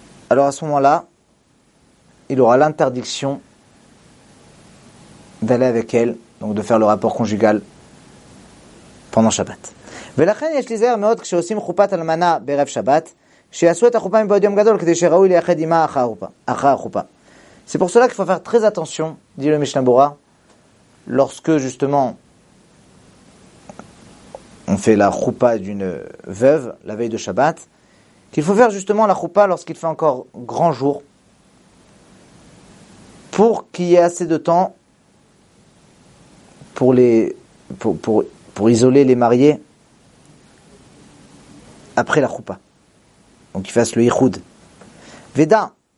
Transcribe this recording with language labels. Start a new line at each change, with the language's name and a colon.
French: alors à ce moment-là, il aura l'interdiction d'aller avec elle, donc de faire le rapport conjugal pendant Shabbat.
Hebrew: ולכן יש לזהר מאוד כשעושים חופת אלמנה בערב שבת, שיעשו את החופה מבעוד יום גדול כדי שראוי לייחד עמה אחר החופה.
French: C'est pour cela qu'il faut faire très attention, dit le Mishnah Berurah, lorsque justement on fait la choupa d'une veuve la veille de Shabbat, qu'il faut faire justement la choupa lorsqu'il fait encore grand jour, pour qu'il y ait assez de temps pour isoler les mariés après la choupa. Donc qu'ils fassent le ichoud. Veda.